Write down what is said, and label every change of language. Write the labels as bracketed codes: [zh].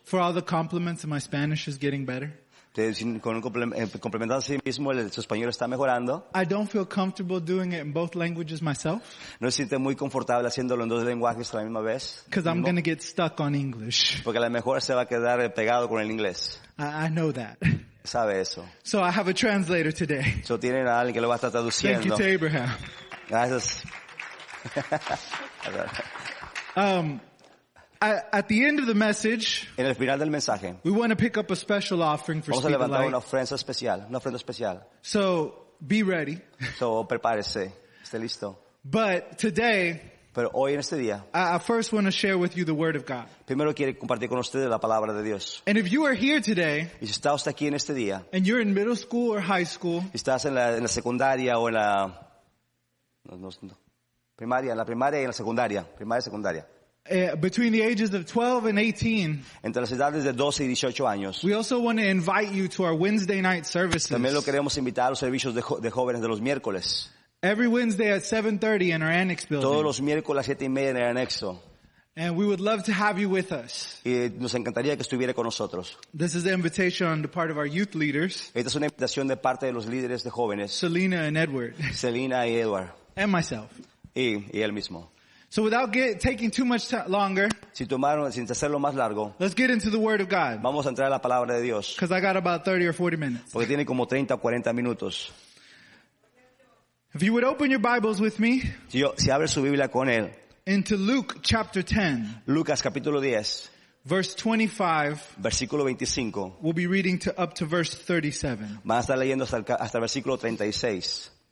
[en] for all the compliments, and my Spanish is getting better. [es] Complementando a sí mismo, su español está mejorando. [en] I don't feel comfortable doing it in both languages myself. [es] No me siento muy confortable haciéndolo en dos lenguajes a la misma vez. [en] Because I'm going to get stuck on English. [es] Porque a lo mejor se va a quedar pegado con el inglés. [en] I know that. [es] Sabe eso. [en] So I have a translator today. [es] So tienen a alguien que lo va a estar traduciendo. [en] Thank you to Abraham. [es] Gracias. [en] At the end of the message, [es] en el final del mensaje, [en] we want to pick up a special offering for [es] vamos [en] Speed [es] a levantar [en] the Light. [es] Una ofrenda especial, una ofrenda especial. [en] So be ready. [es] So prepárese, esté listo. [en] But today, [es] pero hoy en este día, [en] I first want to share with you the Word of God. [es] Primero quiero compartir con ustedes la palabra de Dios. [en] And if you are here today, [es] y si está usted aquí en este día, [en] and you're in middle school or high school, [es] y estás en la secundaria o en la primaria y secundaria. [en] Between the ages of 12 and 18, [es] entre las edades de 12 y 18 años, [en] we also want to invite you to our Wednesday night services. [es] También lo queremos invitar a los servicios de jóvenes de los miércoles. [en] Every Wednesday at 7:30 in our annex building. [es] Todos los miércoles a 7:30 en el anexo. [en] And we would love to have you with us. [es] Y nos encantaría que estuviera con nosotros. [en] This is an invitation on the part of our youth leaders. [es] Esta es una invitación de parte de los líderes de jóvenes. [en] Selena and Edward. [es] Selena y Edward. [en] And myself. [es] Y él mismo. [en] So without taking too much longer, [es] sin hacerlo más largo, [en] let's get into the Word of God. [es] Vamos a entrar a la palabra de Dios. [en] Because I got about 30 or 40 minutes. [es] Porque tiene como 30 o 40 minutos. [en] If you would open your Bibles with me, [es] si abre su Biblia con él, [en] into Luke chapter 10, [es] Lucas capítulo 10, [en] verse 25, [es] versículo 25, [en] we'll be reading to up to verse 37. [es] Van a estar leyendo hasta el versículo 36.